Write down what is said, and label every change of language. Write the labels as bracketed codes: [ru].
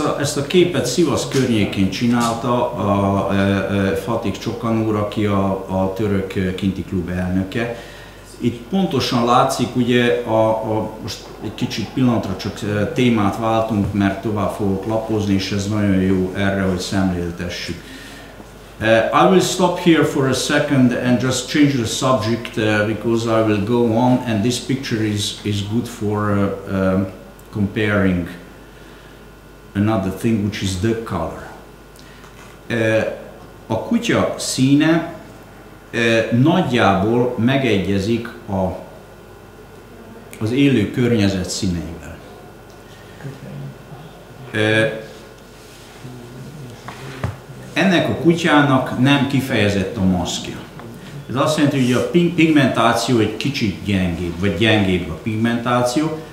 [hu] Ezt a képet Szivasz környékén csinálta a Fatik Csokan úr, aki a török kinti klub elnöke. Itt pontosan látszik, ugye a most egy kicsit pillanatra csak témát váltunk, mert tovább fogok lapozni, és ez nagyon jó erre, hogy szemléltessük. [en] I will stop here for a second and just change the subject because I will go on, and this picture is good for comparing another thing, which is the color. [hu] A kutya színe nagyjából megegyezik az élő környezet színeivel. Ennek a kutyának nem kifejezett a maszkja. Ez azt jelenti, hogy a pigmentáció egy kicsit gyengébb, vagy gyengébb a pigmentáció.